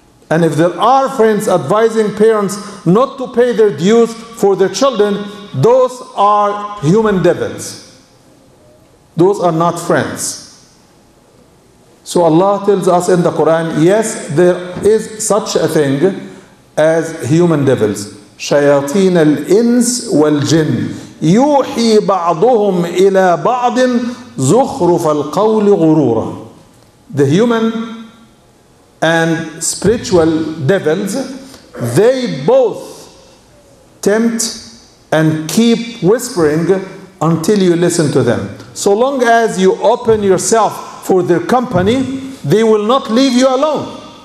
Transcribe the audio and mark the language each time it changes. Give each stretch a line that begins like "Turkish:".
English: And if there are friends advising parents not to pay their dues for their children, those are human devils. Those are not friends. So Allah tells us in the Quran, yes, there is such a thing as human devils.
Arabic: شياطين الإنس والجن يوحي بعضهم إلى بعض زخرف القول غرورا.
English: The human and spiritual devils, they both tempt and keep whispering until you listen to them. So long as you open yourself for their company, they will not leave you alone.